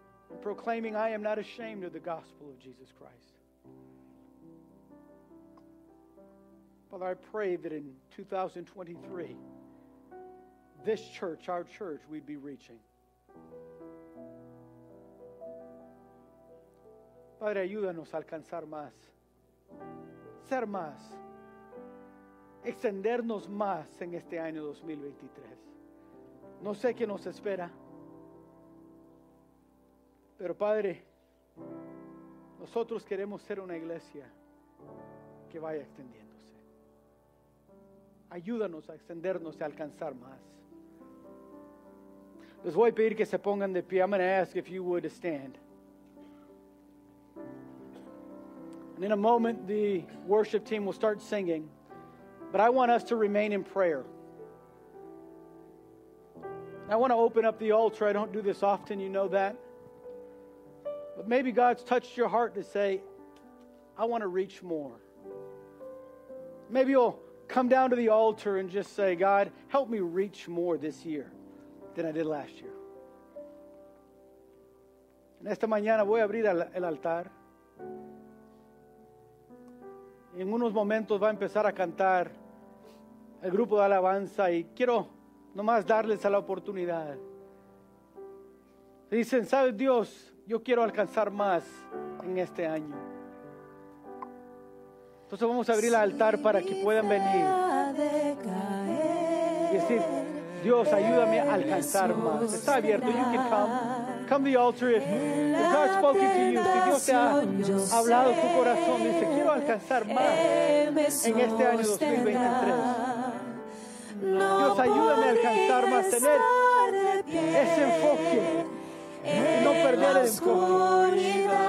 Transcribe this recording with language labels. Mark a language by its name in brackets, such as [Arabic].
[English] And proclaiming, I am not ashamed of the gospel of Jesus Christ. Father, I pray that in 2023, this church, our church, we'd be reaching. [Spanish] Padre, ayúdanos a alcanzar más, ser más, extendernos más en este año 2023. No sé qué nos espera, pero Padre, nosotros queremos ser una iglesia que vaya extendiéndose. Ayúdanos a extendernos y alcanzar más. Les voy a pedir que se pongan de pie. [English] I'm going to ask if you would stand. And in a moment, the worship team will start singing. But I want us to remain in prayer. I want to open up the altar. I don't do this often, you know that. But maybe God's touched your heart to say, I want to reach more. Maybe you'll come down to the altar and just say, God, help me reach more this year than I did last year. [Spanish] En esta mañana voy a abrir el altar. En unos momentos va a empezar a cantar el grupo de alabanza y quiero nomás darles a la oportunidad. Dicen, ¿sabes, Dios? Yo quiero alcanzar más en este año. Entonces vamos a abrir el altar para que puedan venir y decir, Dios, ayúdame a alcanzar más. Está abierto, [English] you can come. Come to the altar if God spoke to you. [Spanish] Si Dios te ha hablado tu corazón, dice, quiero alcanzar más en este año 2023. Dios, ayúdame a alcanzar más, tener ese enfoque y no perder el enfoque.